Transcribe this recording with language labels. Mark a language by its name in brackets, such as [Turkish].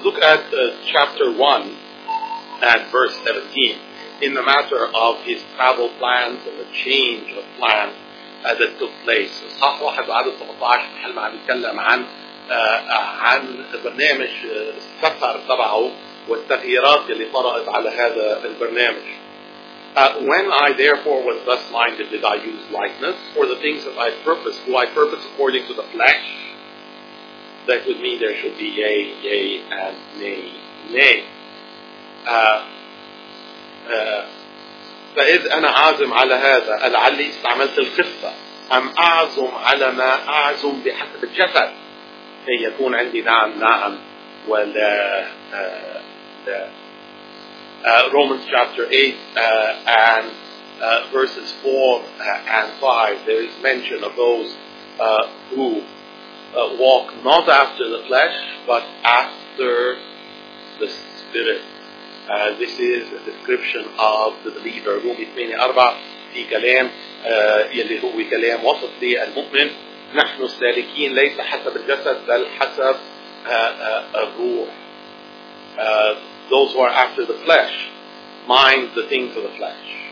[English] Look at chapter 1 and verse 17 in the matter of his travel plans and the change of plans that took place. [Arabic] صح واحد وعدد 17 محل ما عم يتكلم عن برنامج السفر تبعه والتغييرات اللي طرأت على هذا البرنامج. [English] When I therefore was thus minded, did I use likeness for the things that I purpose? Do I purpose according to the flesh? That would mean there should be yea, yea, and nay, nay. [Arabic] فإذ أنا عازم على هذا، لعلي استعملت الخفة، أم أعزم على ما أعزم بحسب الجسد؟ كي يكون عندي نعم نعم ولا لا. [English] Romans chapter 8 and verses 4 and 5, there is mention of those who walk not after the flesh, but after the Spirit. This is a description of the believer. [Arabic] Rumi 8-4, في كلام يلي هو كلام وصف للمؤمن. نحن السالكين ليس حسب الجسد بل حسب الروح. [English] Those who are after the flesh mind the things of the flesh.